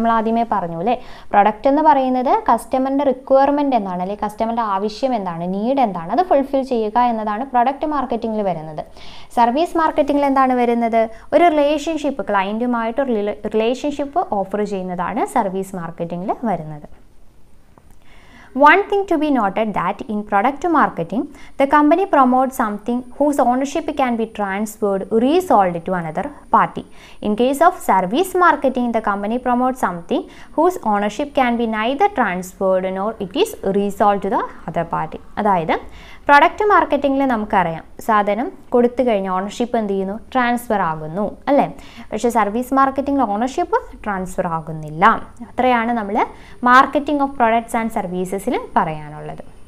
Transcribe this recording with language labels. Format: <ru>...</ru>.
<ml>നമ്മൾ ആദ്യമേ പറഞ്ഞു അല്ലേ, പ്രൊഡക്റ്റ് എന്ന് പറയുന്നത് കസ്റ്റമറിൻ്റെ റിക്വയർമെൻ്റ് എന്താണ്, അല്ലെങ്കിൽ കസ്റ്റമറിൻ്റെ ആവശ്യം എന്താണ്, നീഡ് എന്താണ്, അത് ഫുൾഫിൽ ചെയ്യുക എന്നതാണ് പ്രൊഡക്റ്റ് മാർക്കറ്റിംഗിൽ വരുന്നത്. സർവീസ് മാർക്കറ്റിംഗിൽ എന്താണ് വരുന്നത്? ഒരു റിലേഷൻഷിപ്പ്, ക്ലയൻറ്റുമായിട്ട് ഒരു റിലേഷൻഷിപ്പ് ഓഫർ ചെയ്യുന്നതാണ് സർവീസ് മാർക്കറ്റിംഗിൽ വരുന്നത്.</ml> <en>One thing to be noted that in product marketing, the company promotes something whose ownership can be transferred, resold to another party. In case of service marketing, the company promotes something whose ownership can be neither transferred nor it is resold to the other party.</en> <ml>അതായത് product മാർക്കറ്റിങ്ങിൽ നമുക്കറിയാം, സാധനം കൊടുത്തു കഴിഞ്ഞാൽ ownership എന്ത് ചെയ്യുന്നു? Transfer ആകുന്നു അല്ലേ. പക്ഷേ സർവീസ് മാർക്കറ്റിങ്ങിൽ ഓണർഷിപ്പ് ട്രാൻസ്ഫർ ആകുന്നില്ല. അത്രയാണ് നമ്മൾ മാർക്കറ്റിംഗ് ഓഫ് പ്രൊഡക്ട്സ് ആൻഡ് സർവീസസിൽ പറയാനുള്ളത്.</ml>